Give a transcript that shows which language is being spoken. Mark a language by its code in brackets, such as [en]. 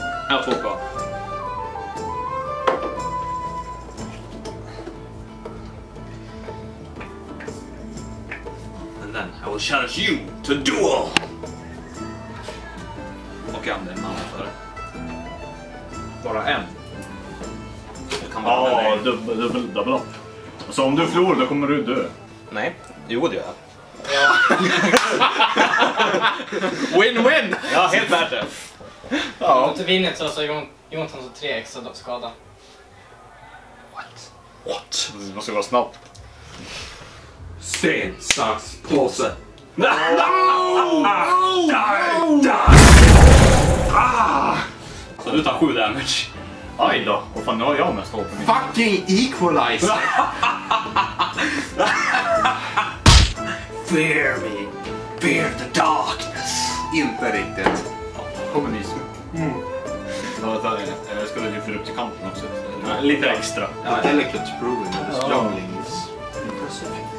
[sv] Jag får på. [en] I will challenge you to a duel! [sv] Och jag använder en mana för det. Bara en. Ja, dubbel upp. Så om du förlorar, då kommer du dö. Nej, jo det gör jag. [en] Win-win! [sv] Ja, helt värt det. Ja. Om du inte vinner så har Jontan så 3 extra skada. [en] What? [sv] Det måste gå snabbt. Sten, sax, påse. Så du tar 7 damage. Aj då, vad fan har jag mest hoppen? [en] Fucking equalizer! Fear me, fear the darkness. [sv] Inte riktigt. Kommer ni så. Jag ska lägga upp till kampen också. Lite extra. [en] Delicate proving, strongling is impressive.